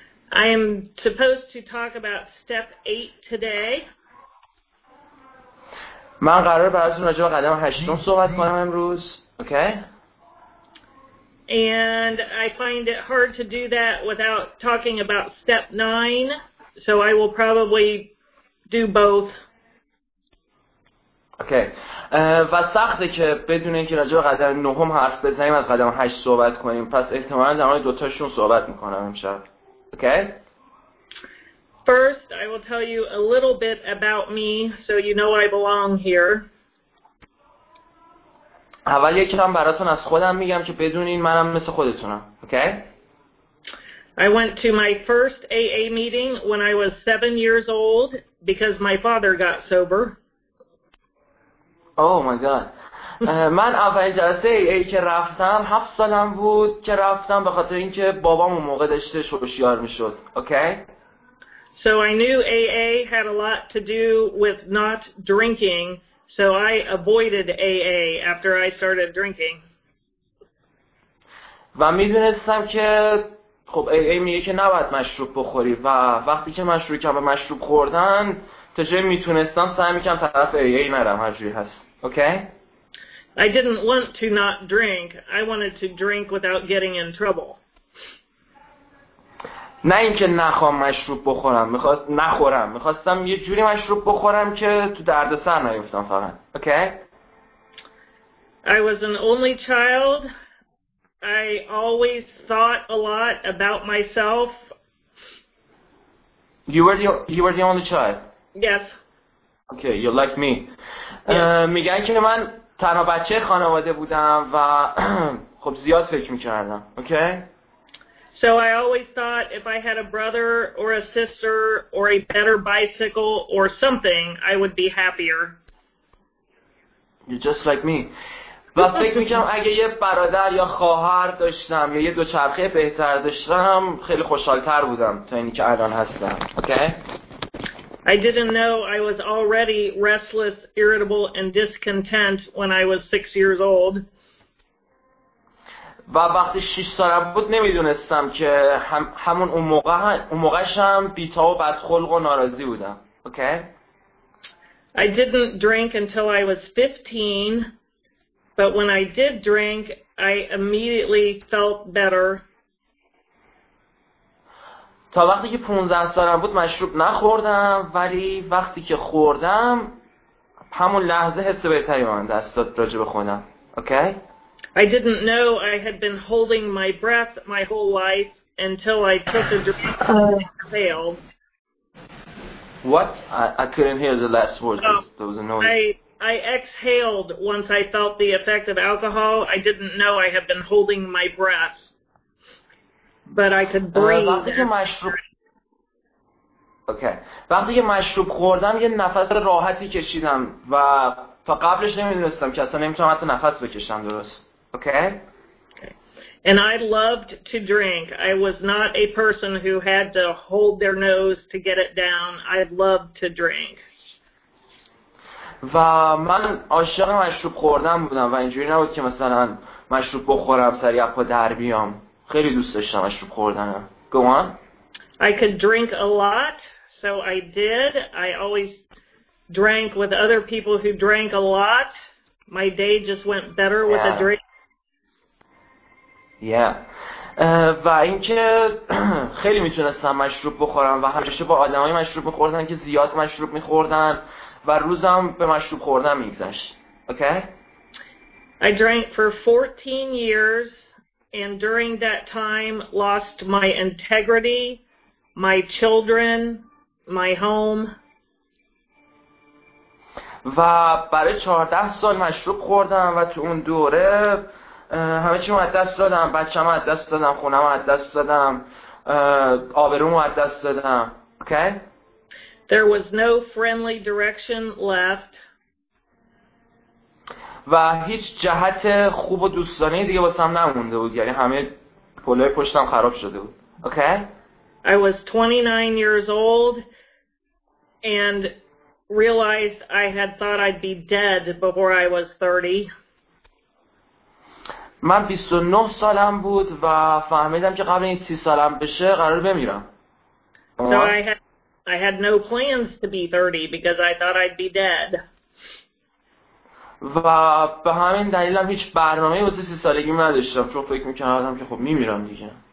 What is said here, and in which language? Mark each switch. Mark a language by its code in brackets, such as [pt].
[en] I am supposed to talk about step 8 today. [fa] من قرار براتون راجع به قدم هشتم صحبت کنم امروز. اوکی؟ [en] And I find it hard to do that without talking about step 9. So I will probably do both. [fa] اوکی. و سخته که بدون اینکه راجع به قدم نهم حرف بزنیم از قدم هشت صحبت کنیم. پس احتمالاً در مورد دو تاشون صحبت می‌کنم امشب. اوکی؟ [en] First, I will tell you a little bit about me, so you know I belong here. [fa] اول یکم براتون از خودم میگم که بدونین منم مثل خودتونم. [en] Okay? I went to my first AA meeting when I was 7 years old because my father got sober. Oh my God. [fa] من اول جلسه AA که رفتم 7 سالم بود که رفتم به خاطر اینکه بابام اون موقع داشته هوشیار میشد. [en] Okay? So I knew AA had a lot to do with not drinking, so I avoided AA after I started drinking. [fa] و میدونستم که خب AA میگه که نباید مشروب بخوری و وقتی که من شروع کردم به مشروب خوردن تا جایی میتونستم سعی میکنم طرف AA نرم هر جوری هست. [en] Okay? I didn't want to not drink. I wanted to drink without getting in trouble. [fa] نه اینکه نخوام مشروب بخورم، میخواستم یه جوری مشروب بخورم که تو دردسر نیفتم فقط. اوکی؟ [en] I was an only child. I always thought a lot about myself. You were the only child. Yes. Okay, you're like me. Yes. [fa] میگن که من تنها بچه خانواده بودم و خب زیاد فکر میکردم. اوکی؟ [en] So I always thought if I had a brother or a sister or a better bicycle or something, I would be happier. You're just like me. [fa] و فکر میکنم اگه یه برادر یا خواهر داشتم یا یه دوچرخه بهتر داشتم خیلی خوشحالتر بودم تا اینی که الان هستم. [en] Okay? I didn't know I was already restless, irritable, and discontent when I was 6 years old. [fa] و وقتی 6 سالم بود نمیدونستم که همون اون موقعشم بی‌تاب و بدخلق و ناراضی بودم. اوکی؟ [en] Okay? I didn't drink until I was 15, but when I did drink, I immediately felt better. [fa] تا وقتی که 15 سالم بود مشروب نخوردم، ولی وقتی که خوردم همون لحظه حس بهتری به من دست داد راجع به خودم. اوکی؟ Okay? [en] I didn't know I had been holding my breath my whole life until I took a drink and exhaled. What? I couldn't hear the last word. That was annoying. I exhaled once I felt the effect of alcohol. I didn't know I had been holding my breath. But I could breathe. Okay. [fa] وقتی که مشروب خوردم یه نفس راحتی کشیدم و تا قبلش نمیدونستم که اصلا نمیتونم حتی نفس بکشم درست. [en] Okay. And I loved to drink. I was not a person who had to hold their nose to get it down. I loved to drink. [fa] و من عاشق مشروب خوردن بودم و اینجوری نبود که مثلا مشروب بخورم سریع پا در بیام. خیلی دوست داشتم مشروب خوردن. [en] Go on. I could drink a lot, so I did. I always drank with other people who drank a lot. My day just went better with a drink. Yeah. [fa] و اینکه خیلی میتونستم مشروب بخورم و همیشه با آدمای مشروب میخوردن که زیاد مشروب میخوردن و روزم به مشروب خوردن میگذشت. [en] Okay? I drank for 14 years and during that time lost my integrity, my children, my home. [fa] و برای 14 سال مشروب خوردم و تو اون دوره همه چیمو از دست دادم، بچه‌مو از دست دادم، خونه‌مو از دست دادم، آبرومو از دست دادم. [en] Okay? There was no friendly direction left. [fa] و هیچ جهت خوب و دوستانه دیگه واسم نمونده بود، یعنی همه پلای پشتم خراب شده بود. [en] Okay? I was 29 years old and realized I had thought I'd be dead before I was 30. [fa] من 29 سالم بود و فهمیدم که قبل این 30 سالم بشه قرار بمیرم. [en] So I had no plans to be 30 because I thought I'd be dead. [fa] و به همین دلیلم هیچ برنامه‌ای واسه 30 سالگی نداشتم چون فکر می‌کردم که خب می‌میرم دیگه.